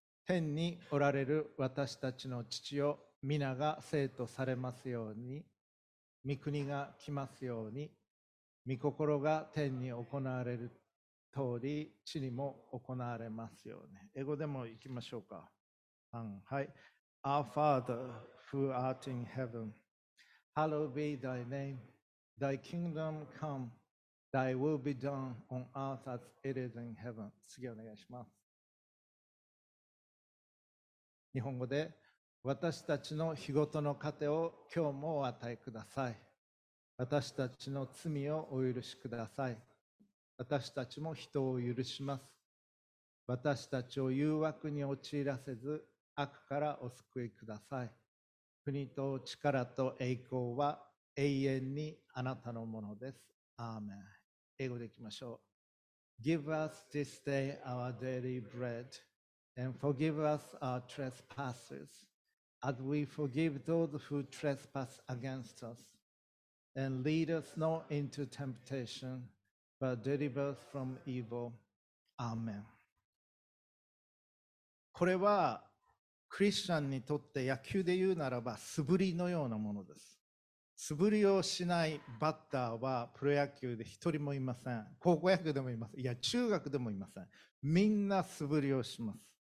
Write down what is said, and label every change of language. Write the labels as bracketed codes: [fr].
[ja] 天におられる私たちの父よ、皆が聖とされますように、御国が来ますように、御心が天に行われる通り、地にも行われますように。英語でもいきましょうか。 [en] はい。Our Father, who art in heaven. Hallowed be thy name, thy kingdom come, thy will be done on earth as it is in heaven. [ja] 次お願いします。日本語で、私たちの日ごとの糧を今日もお与えください。私たちの罪をお許しください。私たちも人を許します。私たちを誘惑に陥らせず、悪からお救いください。国と力と栄光は永遠にあなたのものです。アーメン。英語でいきましょう。 [en] Give us this day our daily bread, and forgive us our trespasses, as we forgive those who trespass against us. And lead us not into temptation, but deliver us from evil. [ja] アーメン。これはクリスチャンにとって野球で言うならば素振りのようなものです。素振りをしないバッターはプロ野球で一人もいません。高校野球でもいません。いや、中学でもいません。みんな素振りをします。